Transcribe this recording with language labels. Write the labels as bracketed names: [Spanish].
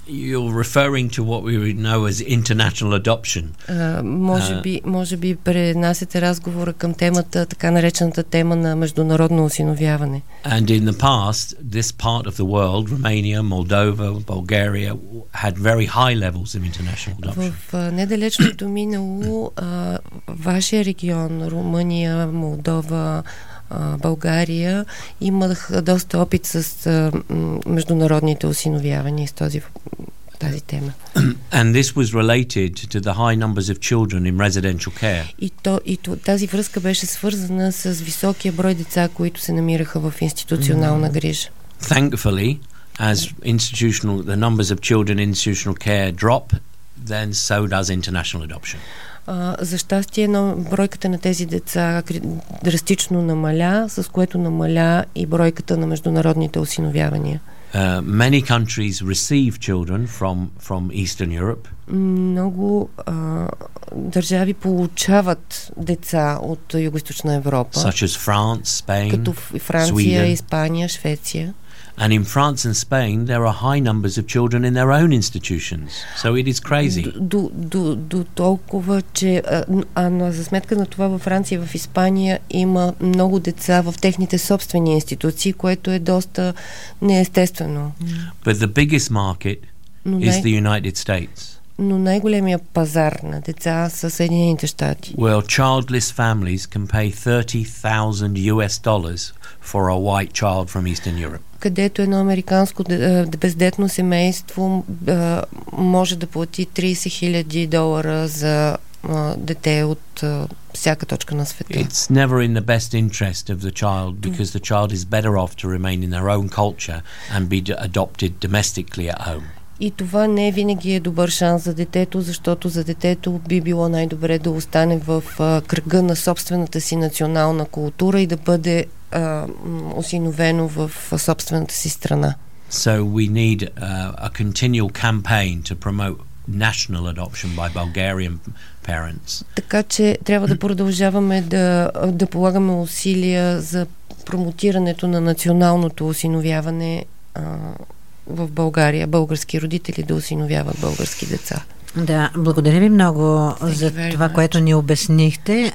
[English] You're referring to what we would know as international adoption. [Bulgarian] Може би пренасете разговора към темата, така наречената тема на международно осиновяване. [English] And in the past, this part of the world, Romania, Moldova, Bulgaria, had very high levels of international adoption. [Bulgarian] В недалечното минало, вашия регион, Румъния, Молдова, България, имах доста опит с международните осиновявания с тази тема. [English] And this was related to the high numbers of children in residential care. [Bulgarian] И тази връзка беше свързана с високия брой деца, които се намираха в институционална грижа. [English] Thankfully, as institutional the numbers of children in institutional care drop, then so does international adoption. [Bulgarian] За щастие, бройката на тези деца драстично намаля, с което намаля и бройката на международните осиновявания. [English] Many countries receive children from Eastern Europe. [Bulgarian] Много държави получават деца от Югоизточна Европа. [English] Such as France, Spain, [Bulgarian] като Франция, [English] Sweden. [Bulgarian] Испания, Швеция. [English] And in France and Spain there are high numbers of children in their own institutions. So it is crazy. [Bulgarian] До толкова, че за сметка на това във Франция и в Испания има много деца в техните собствени институции, което е доста неестествено. [English] But the biggest market is the United States. [Bulgarian] Но най-големият пазар на деца са Съединените щати. [English] Well, childless families can pay $30,000 for a white child from Eastern Europe. [Bulgarian] Където едно американско бездетно семейство може да плати $30,000 за дете от всяка точка на света. [English] It's never in the best interest of the child because the child is better off to remain in their own culture and be adopted domestically at home. [Bulgarian] И това не винаги е добър шанс за детето, защото за детето би било най-добре да остане в кръга на собствената си национална култура и да бъде осиновено в собствената си страна. [English] So we need a continual campaign to promote national adoption by Bulgarian parents. [Bulgarian] Така че трябва да продължаваме да полагаме усилия за промотирането на националното осиновяване в България, български родители да осиновяват български деца. Да, благодаря ви много за това, което ни обяснихте.